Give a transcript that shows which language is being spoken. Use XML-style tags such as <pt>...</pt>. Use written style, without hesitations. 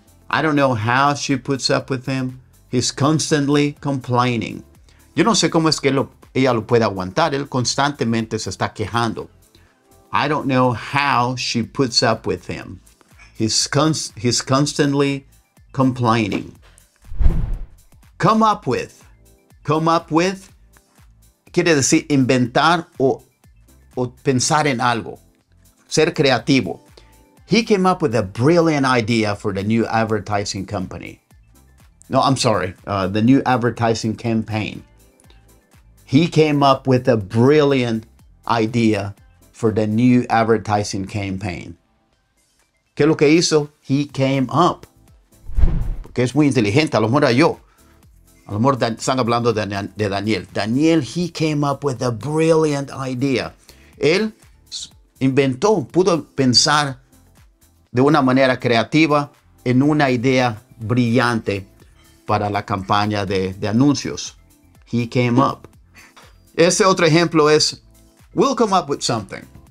<en>I don't know how she puts up with him. He's constantly complaining.</en> <es>Yo no sé cómo es que ella lo puede aguantar. Él constantemente se está quejando.</es> <en>I don't know how she puts up with him. He's constantly complaining.</en> <es>Come up with, quiere decir inventar o pensar en algo. Ser creativo.</es> <en>He came up with a brilliant idea for the new advertising company. No, I'm sorry, the new advertising campaign. He came up with a brilliant idea for the new advertising campaign.</en> <es>¿Qué es lo que hizo?</es> <en>He came up.</en> <es>Porque es muy inteligente, a lo mejor yo. A lo mejor están hablando de Daniel.</es> <en>Daniel, he came up with a brilliant idea.</en> <es>Él inventó, pudo pensar de una manera creativa en una idea brillante para la campaña de anuncios.</es> <en>He came up.</en> <es>Ese otro ejemplo es,</es> <en>we'll come up with something.</en>